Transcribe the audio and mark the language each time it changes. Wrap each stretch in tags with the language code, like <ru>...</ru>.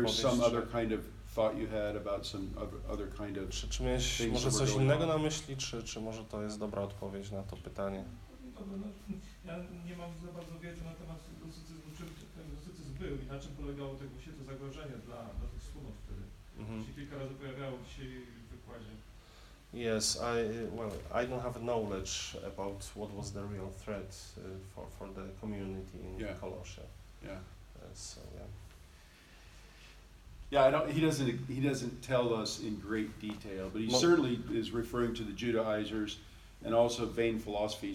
<en>Or there's some other kind of thought you had about some other kind of.</en> <pl>Czy miałeś może coś innego na myśli, czy może to jest dobra odpowiedź na to pytanie? Ja nie mam za bardzo wiedzy na temat gnostycyzmu, czym ten gnostycyzm był i na czym polegało to właśnie to zagrożenie dla tych wspólnot, które się kilka razy pojawiało dzisiaj w wykładzie.</pl> <en>Yes, I don't have knowledge about what was the real threat for the community in Colossae. Yeah. So yeah. Yeah, he doesn't tell us in great detail, but he certainly is referring to the Judaizers and also vain philosophy.</en>